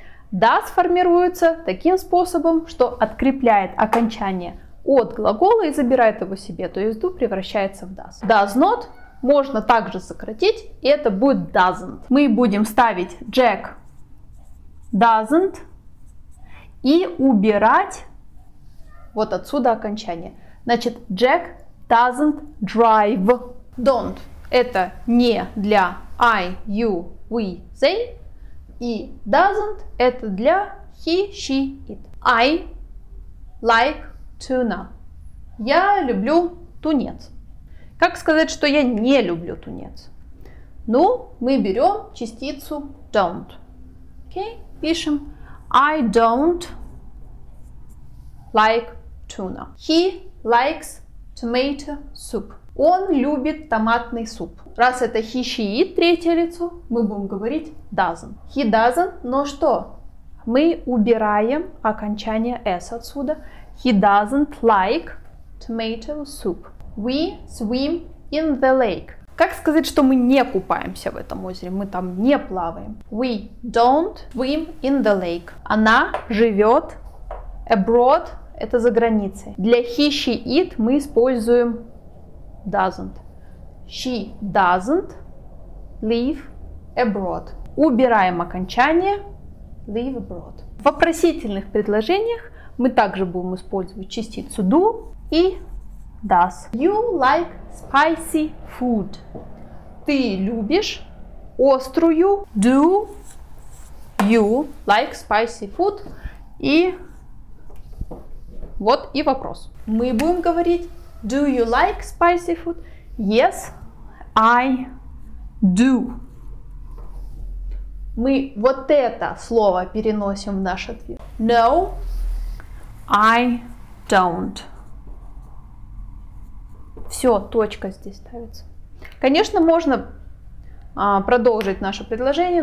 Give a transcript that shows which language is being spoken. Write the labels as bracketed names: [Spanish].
[Russian] Does формируется таким способом, что открепляет окончание от глагола и забирает его себе, то есть do превращается в does. Does not можно также сократить, и это будет doesn't. Мы будем ставить [English] Jack doesn't [Russian] и убирать вот отсюда окончание. Значит, [English] Jack doesn't drive. [Russian] Don't — это не для I, you, we, they. И doesn't — это для he, she, it. [English] I like tuna. [Russian] Я люблю тунец. Как сказать, что я не люблю тунец? Ну, мы берем частицу don't. Окей? Пишем [English] I don't like tuna. He likes tomato soup. [Russian] Он любит томатный суп. Раз это he, she, it, третье лицо, мы будем говорить doesn't. He doesn't, но что? Мы убираем окончание s отсюда. [English] He doesn't like tomato soup. We swim in the lake. [Russian] Как сказать, что мы не купаемся в этом озере? Мы там не плаваем. [English] We don't swim in the lake. [Russian] Она живет abroad, это за границей. Для he, she, it мы используем doesn't. [English] She doesn't live abroad. [Russian] Убираем окончание [English] live abroad. [Russian] В вопросительных предложениях мы также будем использовать частицу do и does. [English] You like spicy food. [Russian] Ты любишь острую. [English] Do you like spicy food? [Russian] И вот и вопрос. Мы будем говорить [English] do you like spicy food? Yes, I do. [Russian] Мы вот это слово переносим в наш ответ. [English] No, I don't. [Russian] Все, точка здесь ставится. Конечно, можно продолжить наше предложение.